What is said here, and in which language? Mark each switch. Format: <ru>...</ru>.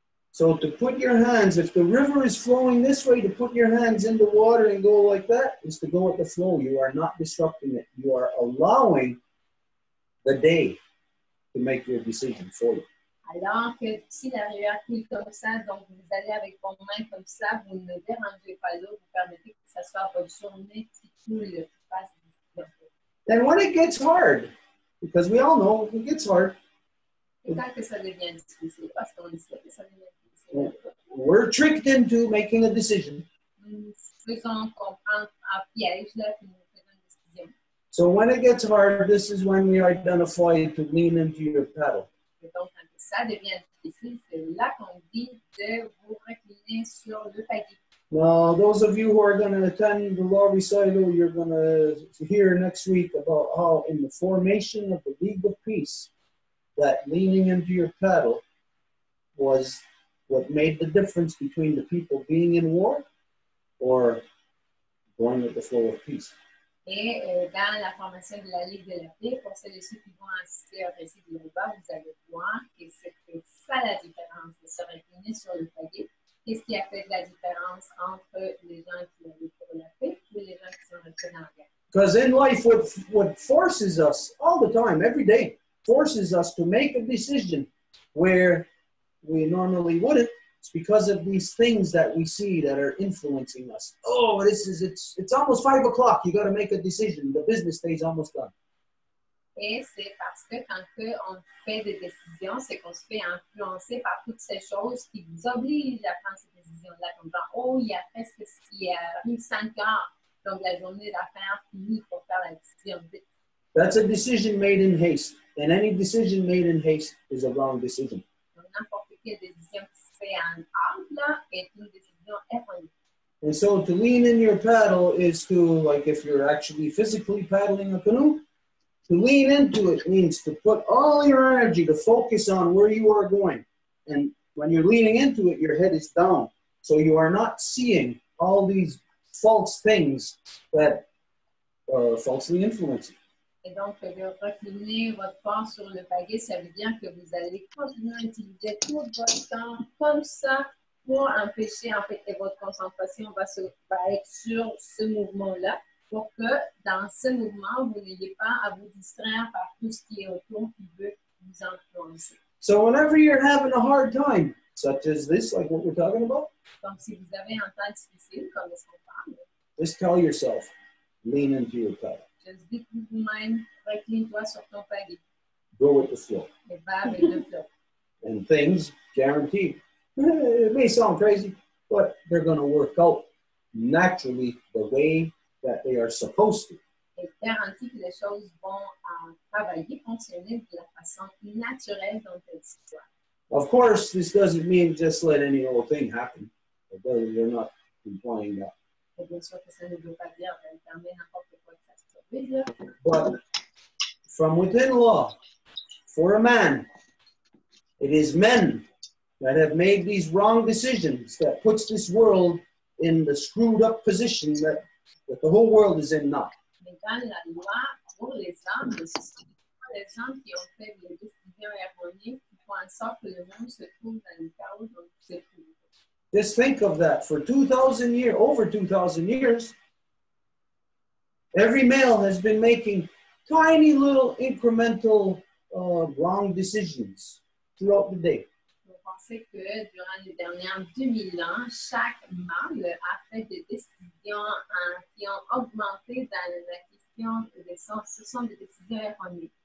<en>So to put your hands, if the river is flowing this way, to put your hands in the water and go like that is to go with the flow. You are not disrupting it. You are allowing the day to make your decision for you.</en> <fr>Alors que si la rivière coule comme ça, donc vous allez avec vos mains comme ça, vous ne dérangez pas l'eau, vous permettez que ça soit votre journée qui coule, qui passe.</fr> <en>And when it gets hard, because we all know it gets hard.</en> <fr>Et quand que ça devient difficile, parce qu'on le sait que ça devient difficile.</fr> <en>We're tricked into making a decision.</en> <fr>Nous faisons comprendre un piège là, puis nous faisons une décision.</fr> <en>So when it gets hard, this is when we identify to lean into your paddle.</en> <fr>Ça devient difficile, c'est là qu'on dit de vous recliner sur le paddy.</fr> <en>Now, those of you who are going to attend the law recital, you're going to hear next week about how in the formation of the League of Peace, that leaning into your paddle was what made the difference between the people being in war or going with the flow of peace.</en> <fr>Et dans la formation de la Ligue de la Paix, pour ceux qui vont assister au récit de l'Ouba, vous allez voir que c'est que ça la différence de se recliner sur le palier. Qu'est-ce qui a fait de la différence entre les gens qui allaient pour la paix et les gens qui sont restés dans la guerre?</fr> <en>Because in life, what forces us all the time, every day, forces us to make a decision where we normally wouldn't. It's because of these things that we see that are influencing us. Oh, this is, it's almost 5 o'clock. You got to make a decision. The business day is almost done.</en> <fr>Et c'est parce que quand que on fait des décisions, c'est qu'on se fait influencer par toutes ces choses qui vous obligent à prendre ces décisions-là. Comme dans, oh, il y a presque il y a 5 heures, donc la journée d'affaires finie pour faire la décision.</fr> <en>That's a decision made in haste. And any decision made in haste is a wrong decision.</en> <fr>Donc, n'importe quelle décision qui se fait en hâte, là, est une décision erronée.</fr> <en>And so to lean in your paddle is to, like if you're actually physically paddling a canoe, to lean into it means to put all your energy to focus on where you are going. And when you're leaning into it, your head is down. So you are not seeing all these false things that are falsely influencing.</en> <fr>Et donc, de recliner votre corps sur le pagaie, ça veut dire que vous allez continuer à utiliser tout votre temps comme ça pour empêcher, en fait, que votre concentration va être sur ce mouvement-là. Pour que dans ce mouvement, vous n'ayez pas à vous distraire par tout ce qui est autour qui veut vous influencer.</fr> <en>So whenever you're having a hard time, such as this, like what we're talking about,</en> <fr>donc si vous avez un temps difficile, comme est-ce qu'on parle,</fr> <en>just tell yourself, lean into your paddle.</en> <fr>Just dis pour vous-même, recline-toi sur ton paddle.</fr> <en>Go with the flow.</en> <fr>Et va avec le flow.</fr> <en>And things, guaranteed. It may sound crazy, but they're going to work out naturally the way that they are supposed to.</en> <fr>Et garantit que les choses vont travailler, fonctionner de la façon naturelle dont elles se voient.</fr> <en>Of course, this doesn't mean just let any old thing happen. You're not implying that.</en> <fr>Et bien sûr que ça ne veut pas dire de fermer n'importe quoi que ça se trouve.</fr> <en>But from within law, for a man, it is men that have made these wrong decisions that puts this world in the screwed up position that that the whole world is in now.</en> <fr>Mais dans la loi, pour les hommes, ce sont les hommes qui ont fait les décisions erronées qui font en sorte que le monde se trouve dans le chaos dont il se trouve.</fr> <en>Just think of that. For 2,000 years, over 2,000 years, every male has been making tiny little incremental wrong decisions throughout the day.</en> <fr>Vous pensez que durant les dernières 2000 ans, chaque mâle a fait des décisions qui ont augmenté dans la question de sens, ce sont des décisions erronées.</fr>